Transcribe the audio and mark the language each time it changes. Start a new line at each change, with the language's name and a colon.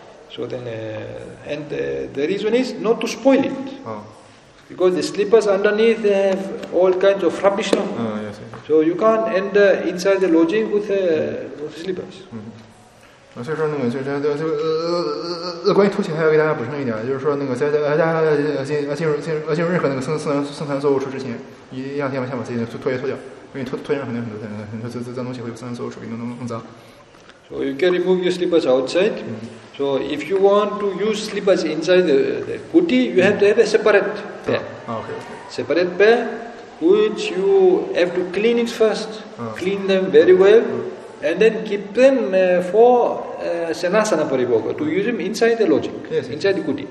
English: So then, the reason is not to spoil it. Because the slippers underneath have all kinds of rubbish. So you can't enter inside the lodging with slippers. Mm-hmm.
Chinese: 所以说那个关于拖鞋还要给大家补充一点，就是说那个进入任何那个僧团坐卧处之前，一定要先把自己的拖鞋脱掉，因为拖鞋上很多脏东西会有僧团坐卧处给弄脏。
English: So you can remove your slippers outside. So if you want to use slippers inside the kuti, you have to have a separate pair. Separate pair, which you have to clean it first. Clean them very well. And then keep them for sannyasana paribhoga, to use them inside the lodging, inside the kuti.